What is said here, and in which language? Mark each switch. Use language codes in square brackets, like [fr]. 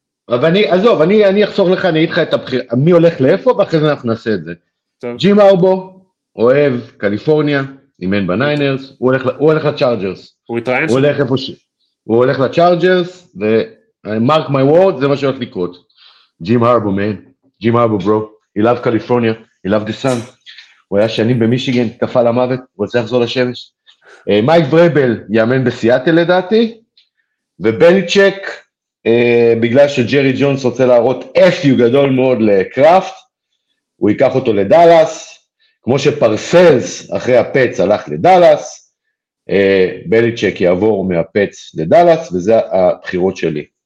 [he] אבל אני, עזוב, אני אחסוך לך, אני אגיד לך את הבחירה, מי הולך לאיפה, ואחרי זה אנחנו נעשה את זה. ג'ים הרבו. אוהב קליפורניה, אימן בניינרס, הוא הולך לצ'ארג'רס. הוא התראיין שם? הולך איפה ש... הוא הולך לצ'ארג'רס, ומרק מי וורד, זה מה שהולך לקרות. ג'ים הרבו, מן. ג'ים הרבו, ברו. [en] He loved קליפורניה, he loved the sun. [he] הוא היה שנים במישיגן, תפע למוות, הוא רוצה לחזור לשמש. מייק ברבל יאמן בסיאטל לדעתי, ובלצ'ק, בגלל שג'רי ג'ונס רוצה להראות אפיו גדול מאוד לקראפט, הוא ייקח אותו לדלאס. כמו שפרסלס אחרי הפץ הלך לדלאס, בליצ'ק יעבור מהפץ לדלאס, וזה הבחירות שלי.